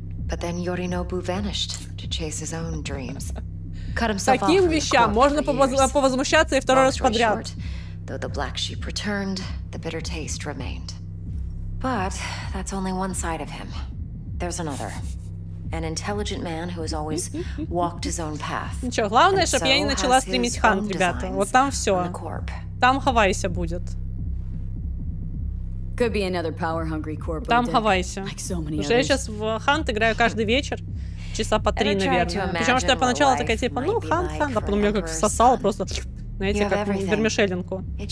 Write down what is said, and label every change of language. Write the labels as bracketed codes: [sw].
[en] But then Yorinobu vanished to chase his own dreams. Cut himself off. [ru] Таким вещам можно повозмущаться и второй раз подряд. [en] Though the black sheep returned, the bitter taste remained. But that's only one side of him. There's another. An intelligent man who has always walked his own path. [ru] Ничего, главное, чтобы я не начала стримить Хант, ребята. Вот там все. Там Хавайся будет. [en] Could be another power-hungry corp. [ru] Там Хавайся. Уже я сейчас в Хант играю каждый вечер. Часа по три, наверное. Причем, что я поначалу такая, типа, ну, Хант. А потом меня как сосало просто, знаете, как вермишелинку.